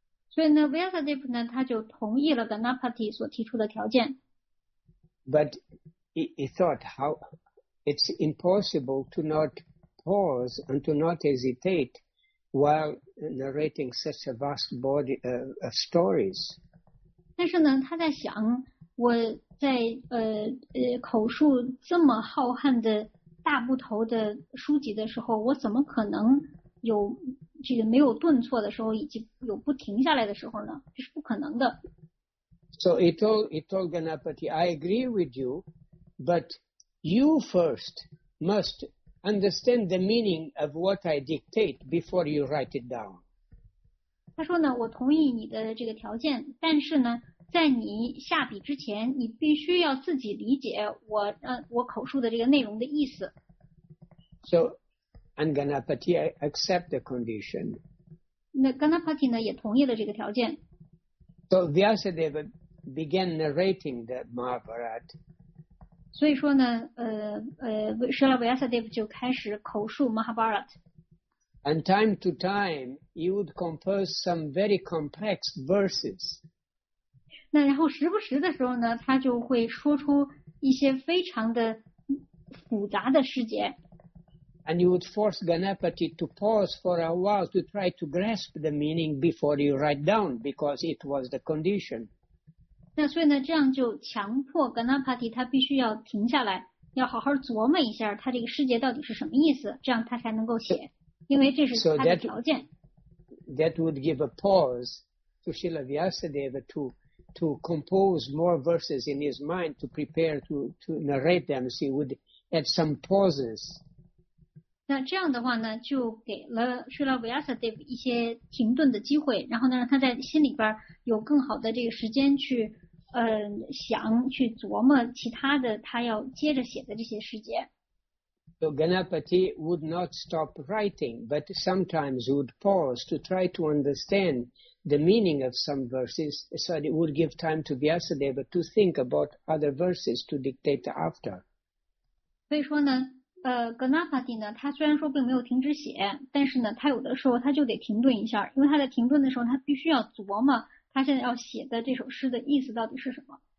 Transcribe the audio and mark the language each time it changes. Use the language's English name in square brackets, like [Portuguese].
[Chinese] 所以呢 ，Vyasadeva 呢，他就同意了 Ganapati 所提出的条件。 [English] But he thought how. It's impossible to not pause and to not hesitate while narrating such a vast body of stories. [Chinese] 但是呢，他在想，我在口述这么浩瀚的大部头的书籍的时候，我怎么可能有这个没有顿挫的时候，以及有不停下来的时候呢？这是不可能的。 [English] So he told Ganapati, I agree with you, but. You first must understand the meaning of what I dictate before you write it down. [Chinese] 他说呢，我同意你的这个条件，但是呢，在你下笔之前，你必须要自己理解我口述的这个内容的意思。 [English] So, and Ganapati accept the condition. [Chinese] 那 Ganapati 呢也同意了这个条件。 [English] So Vyasadeva began narrating the Mahabharata. [Chinese] 所以说呢，舍拉维亚萨德夫就开始口述 Mahabharata。 [English] And time to time, he would compose some very complex verses. [Chinese] 那然后时不时的时候呢，他就会说出一些非常的复杂的诗节。 [English] And you would force Ganapati to pause for a while to try to grasp the meaning before you write down, because it was the condition. [Chinese] 那所以呢，这样就强迫 Ganapati 他必须要停下来，要好好琢磨一下他这个诗节到底是什么意思，这样他才能够写，因为这是他的条件。 [English] That would give a pause to Srila Vyasadeva to compose more verses in his mind to prepare to narrate them. So he would add some pauses. [Chinese] 那这样的话呢，就给了 Srila Vyasadeva 一些停顿的机会，然后呢，让他在心里边。有更好的这个时间去想去琢磨其他的他要接着写的这些诗节。 [English] So Ganapati would not stop writing, but sometimes would pause to try to understand the meaning of some verses, so it would give time to Vyasadeva to think about other verses to dictate after. [Chinese] 所以说呢Ganapati 呢他虽然说并没有停止写，但是呢他有的时候他就得停顿一下，因为他在停顿的时候他必须要琢磨他现在要写的这首诗的意思到底是什么。